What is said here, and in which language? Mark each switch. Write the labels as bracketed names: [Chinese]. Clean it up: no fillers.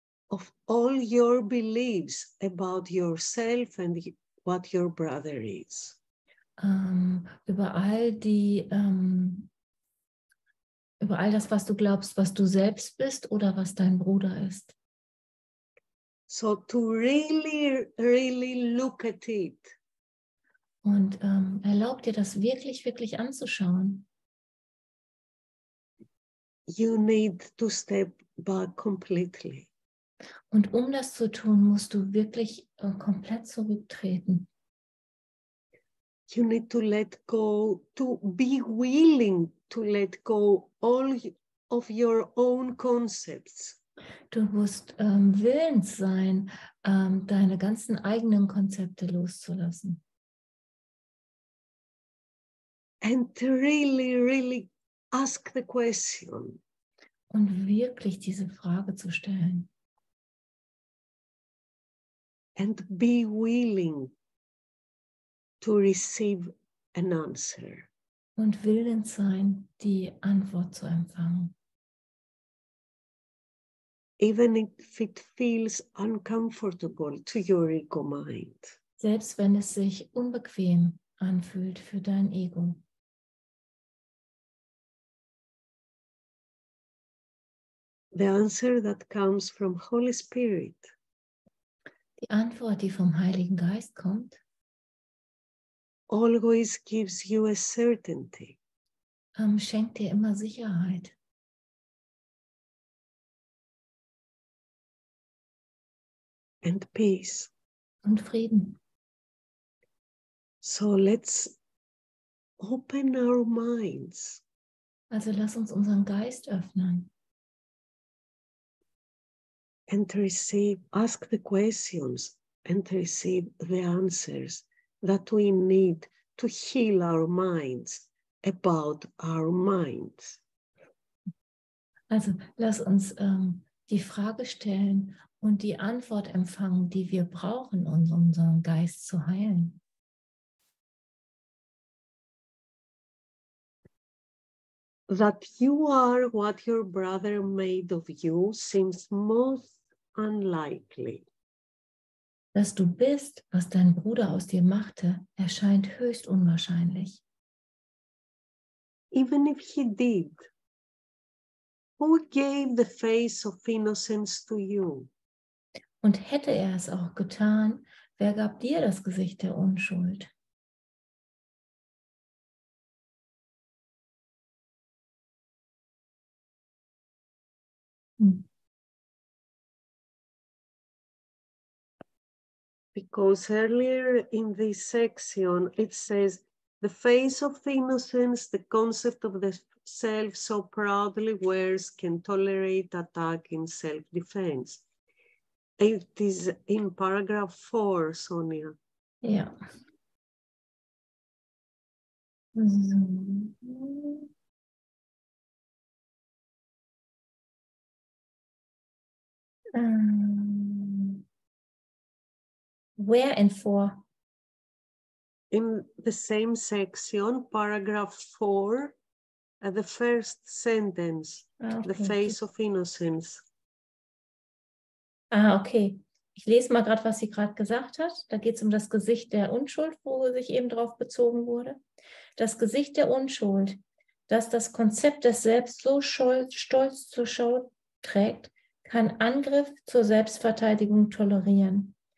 [English] of all your beliefs about yourself and what your brother is, [German] über all die über all das, was du glaubst, was du selbst bist oder was dein Bruder ist. [English] So to really, really look at it. [German] Und erlaub dir das wirklich, wirklich anzuschauen. [English] You need to step back completely. [German] Und um das zu tun, musst du wirklich komplett zurücktreten. [English] You need to let go, to be willing to let go all of your own concepts. [German] Du musst willens sein, deine ganzen eigenen Konzepte loszulassen. [English] and really, really ask the question. [German] Und wirklich diese Frage zu stellen. [English] And be willing to receive an answer. [German] Und willens sein, die Antwort zu empfangen. [English] Even if it feels uncomfortable to your ego mind. [German] Selbst wenn es sich unbequem anfühlt für dein Ego. [English] The answer that comes from Holy Spirit. [German] Die Antwort, die vom Heiligen Geist kommt, [English] always gives you a certainty. [German] Schenkt dir immer Sicherheit. [English] And peace. [German] Und Frieden. [English] So let's open our minds. [German] Also lass uns unseren Geist öffnen. [English] And receive, ask the questions and receive the answers that we need to heal our minds about our minds. [German] Also lass uns die Frage stellen und die Antwort empfangen, die wir brauchen, um unseren Geist zu heilen. [English] That you are what your brother made of you seems most unlikely. [German] Dass du bist, was dein Bruder aus dir machte, erscheint höchst unwahrscheinlich. [English] Even if he did, who gave the face of innocence to you? [German] Und hätte er es auch getan, wer gab dir das Gesicht der Unschuld? [English] Because earlier in this section it says the face of innocence, the concept of the self so proudly wears, can tolerate attack in self-defense. It is in paragraph 4, Sonia. Yeah. Where and for? In the same section, paragraph 4, the first sentence, okay. The face of innocence. Ah, okay. [German] Ich lese mal gerade, was sie gerade gesagt hat. Da geht es um das Gesicht der Unschuld, wo sich eben drauf bezogen wurde. Das Gesicht der Unschuld, dass das Konzept des Selbst so stolz zur Schau trägt, kann Angriff zur Selbstverteidigung tolerieren.